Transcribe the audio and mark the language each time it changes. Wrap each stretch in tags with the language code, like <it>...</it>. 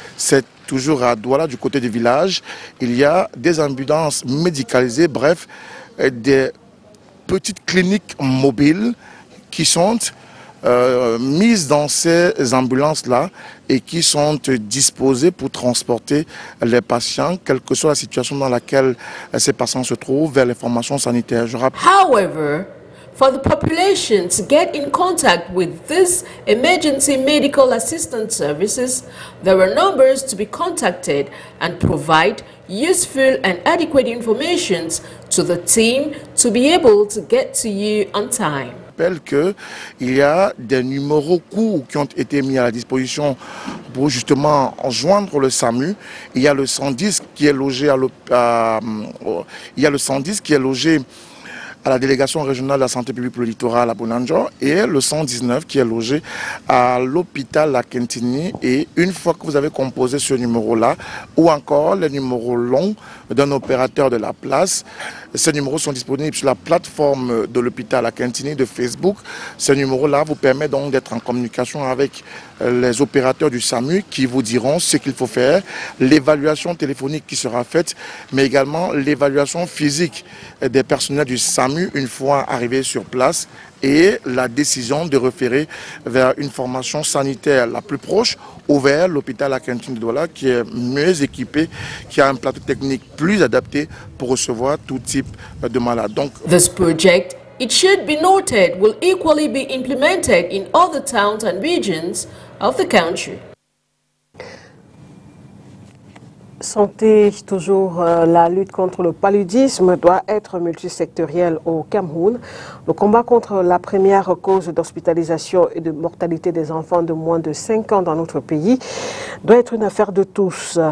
<fr>C'est toujours à Douala, du côté du village. Il y a des ambulances médicalisées, bref, des petites cliniques mobiles qui sont mises dans ces ambulances-là et qui sont disposées pour transporter les patients, quelle que soit la situation dans laquelle ces patients se trouvent, vers les formations sanitaires. Je rappelle.</fr> <en>However, for the population to get in contact with this emergency medical assistance services, there are numbers to be contacted and provide useful and adequate information to the team to be able to get to you on time.</en> <fr>Qu'il y a des numéros courts qui ont été mis à la disposition pour justement joindre le SAMU. Il y a le 110 qui est logé à la délégation régionale de la santé publique pour le littoral à Bonanjo et le 119 qui est logé à l'hôpital Akintini. Et une fois que vous avez composé ce numéro-là ou encore les numéros longs d'un opérateur de la place, ces numéros sont disponibles sur la plateforme de l'hôpital Akintini de Facebook. Ces numéros-là vous permettent donc d'être en communication avec les opérateurs du SAMU qui vous diront ce qu'il faut faire, l'évaluation téléphonique qui sera faite, mais également l'évaluation physique des personnels du SAMU une fois arrivés sur place et la décision de référer vers une formation sanitaire la plus proche ou vers l'hôpital Akintini de Douala qui est mieux équipé, qui a un plateau technique plus adapté pour recevoir tout type de malades. Donc,</fr> <en>this project, it should be noted, will equally be implemented in other towns and regions of the country.</en> <fr>Santé, toujours la lutte contre le paludisme doit être multisectorielle au Cameroun. Le combat contre la première cause d'hospitalisation et de mortalité des enfants de moins de 5 ans dans notre pays doit être une affaire de tous.</fr>